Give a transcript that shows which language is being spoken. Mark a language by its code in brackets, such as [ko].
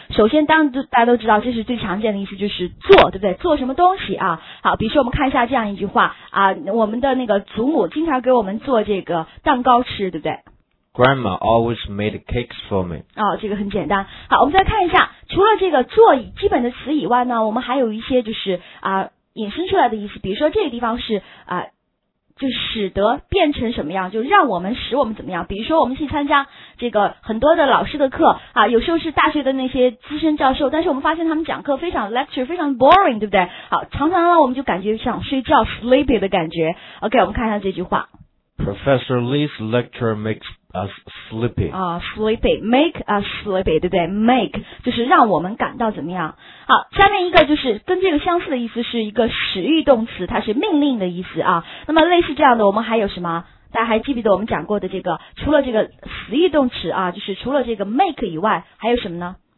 [zh] 首先，大家都知道，这是最常见的意思，就是做，对不对？做什么东西啊？好，比如说我们看一下这样一句话我们的那个祖母经常给我们做这个蛋糕吃，对不对 [en] ？Grandma always made cakes for me。 [zh] 这个很简单。好，我们再看一下，除了这个做基本的词以外呢，我们还有一些就是衍生出来的意思，比如说这个地方是就使得变成什么样，就让我们使我们怎么样，比如说我们去参加这个很多的老师的课有时候是大学的那些资深教授，但是我们发现他们讲课非常 lecture 非常 boring， 对不对？好，常常呢我们就感觉像睡觉 sleepy 的感觉。OK， 我们看一下这句话， [en] Professor Lee's lecture makes us sleepy make us sleepy， [zh] 对不对？ make 就是让我们感到怎么样。好，下面一个就是跟这个相似的意思，是一个使喻动词，它是命令的意思那么类似这样的我们还有什么，大家还记不记得我们讲过的这个，除了这个使喻动词就是除了这个 make 以外还有什么呢